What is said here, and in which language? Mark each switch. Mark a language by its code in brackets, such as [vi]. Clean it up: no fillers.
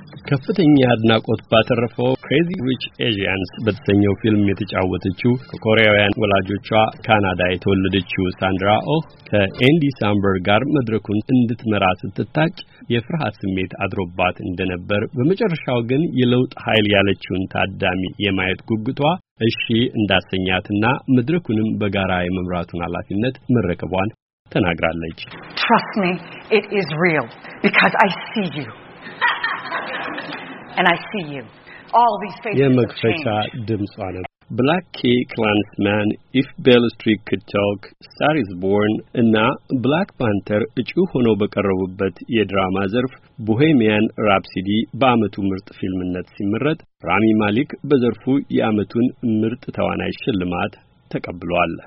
[am] ከፍተኛ አድናቆት ባተረፈው Crazy Rich Asians በተሰኘው ፊልም የተጫወተችው ከኮሪያውያን ወላጆቿ ካናዳ የተወለደችው Sandra Oh ከAndy Samberg ጋር መድረኩን እንድትመራ ስትታጭ የፍርሃት ስሜት አድሮባት እንደነበር በመጨረሻው ግን የለውጥ ኃይል ያለችውን ታዳሚ የማየት ጉጉቷ እሺ እንዳሰኛትና መድረኩንም በጋራ የመምራቱን ኃላፊነት መረከቧን ተናግራለች። [en] Trust me, it is real because I see you. And I see you. All these faces have changed. [am] የመክፈቻ ድምጽ አለ። Black Key Klansman, If Beale Street Could Talk, Star is Born, እና Black Panther እጩ ሆኖ በቀረቡበት የድራማ ዘርፍ Bohemian Rhapsody በአመቱ ምርጥ ፊልምነት ሲመረጥ Rami Malek በዘርፉ የአመቱን ምርጥ ተዋናይ ሽልማት ተቀብሏል።